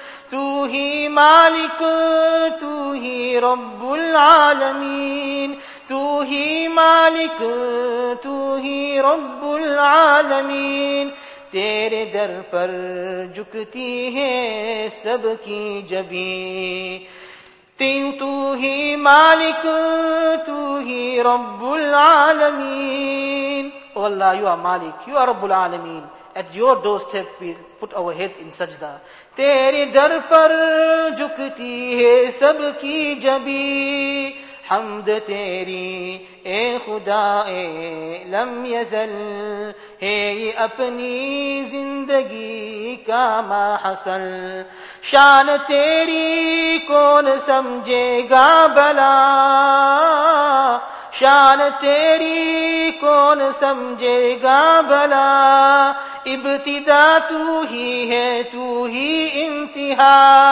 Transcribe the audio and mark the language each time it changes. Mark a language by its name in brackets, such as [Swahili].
[Urdu] تو ہی مالک تو ہی رب العالمین تو ہی مالک تو ہی رب العالمین تیرے در پر جھکتی ہے سب کی جبیں تو ہی مالک تو ہی رب العالمین. [English] Oh Allah, you are Malik, you are رب العالمین. At your doorstep we put our heads in sajda. [Urdu] تیرے در پر جھکتی ہے سب کی جبی حمد تیری اے خدا اے لم يزل ہے اپنی زندگی کا ما حصل شان تیری کون سمجھے گا بلا شان تیری کون سمجھے گا بلا ابتدا تو ہی ہے تو ہی انتہا